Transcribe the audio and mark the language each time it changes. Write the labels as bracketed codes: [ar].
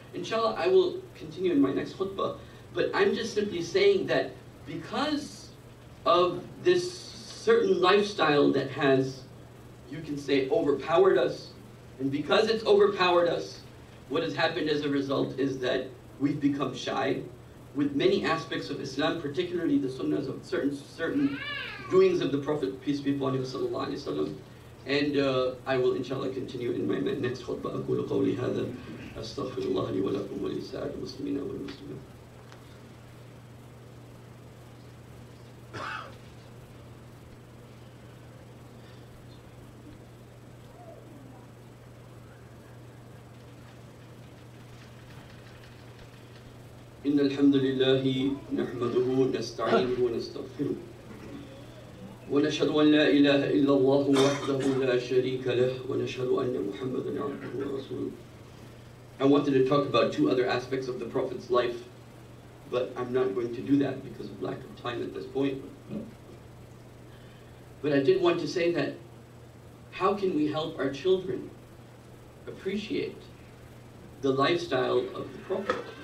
[en] Inshallah, I will continue in my next khutbah, but I'm just simply saying that because of this certain lifestyle that has, you can say, overpowered us, and because it's overpowered us, what has happened as a result is that we've become shy with many aspects of Islam, particularly the sunnahs of certain doings of the Prophet, peace be upon him, sallallahu alayhi wa sallam. And I will, inshallah, continue in my next khutbah. [ar] أقول قولي هذا أستغفر الله لي ولكم ولسائر المسلمين والمسلمات. إن الحمد لله نحمده نستعينه ونستغفره. ونشهد أن لا إله إلا الله وحده لا شريك له ونشهد أن محمدا عبده ورسوله. [en] I wanted to talk about two other aspects of the Prophet's life, but I'm not going to do that because of lack of time at this point. But I did want to say that how can we help our children appreciate the lifestyle of the Prophet?